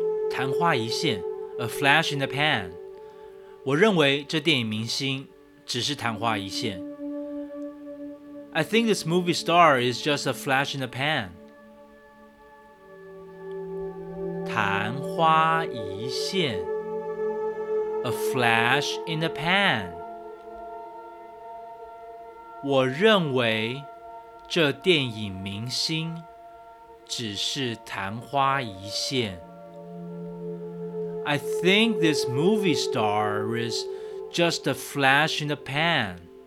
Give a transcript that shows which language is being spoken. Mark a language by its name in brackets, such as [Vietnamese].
[Chinese] 昙花一现 [English] ，a flash in the pan。 [Chinese] 我认为这电影明星只是昙花一现。 [English] I think this movie star is just a flash in the pan。 [Chinese] 昙花一现 [English] ，a flash in the pan。 [Chinese] 我认为这电影明星只是昙花一现。 [English] I think this movie star is just a flash in the pan.